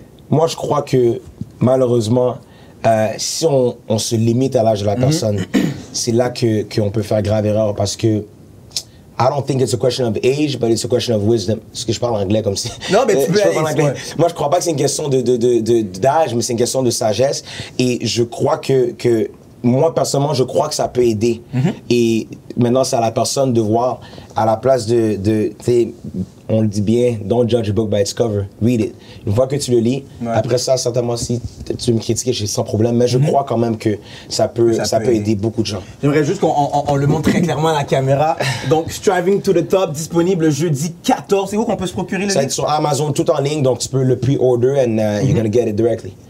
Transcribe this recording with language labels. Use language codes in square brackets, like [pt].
[fr] Moi, je crois que malheureusement, si on se limite à l'âge de la personne, c'est là qu'on peut faire grave erreur, parce que [en] I don't think it's a question of age, but it's a question of wisdom. [fr] Parce que je parle anglais comme si... Non, mais tu peux parler anglais. Moi, je crois pas que c'est une question d'âge, mais c'est une question de sagesse. Et je crois que moi, personnellement, je crois que ça peut aider. Et maintenant, c'est à la personne de voir, à la place de on le dit bien, [en] don't judge a book by its cover, read it. [fr] Une fois que tu le lis, ouais. Après ça, certainement, si tu me critiques, j'ai sans problème, mais je crois quand même que ça peut aider beaucoup de gens. J'aimerais juste qu'on on le montre très clairement à la caméra. Donc, Striving to the Top, disponible jeudi 14. C'est où qu'on peut se procurer le livre? Ça va être sur Amazon, tout en ligne, donc tu peux le pre-order [en] and you're gonna get it directly.